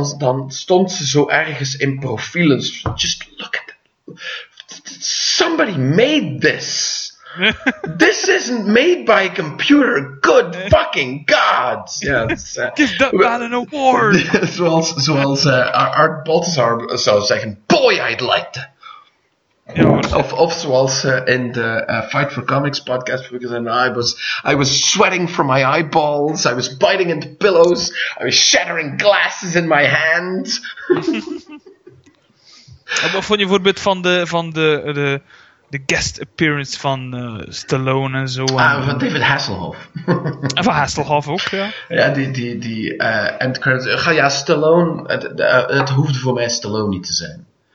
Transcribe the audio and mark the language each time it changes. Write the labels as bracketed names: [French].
[Dutch] dan stond ze zo ergens in profielen. [English] Just look at it. Somebody made this. This isn't made by a computer. Good fucking God. Give that man an award. [Dutch] Zoals Art Balthasar zou zeggen, [English] boy, I'd like to. [Dutch] Ja, waarschijnlijk. Of zoals in de Fight for Comics podcast vroeger zei, [English] I was sweating from my eyeballs, I was biting into pillows, I was shattering glasses in my hand. [Dutch] Wat vond je bijvoorbeeld van de guest appearance van Stallone en zo Van David Hasselhoff. en van Hasselhoff ook, ja. Ja, die end credits. Ja, Stallone, het hoeft voor mij Stallone niet te zijn.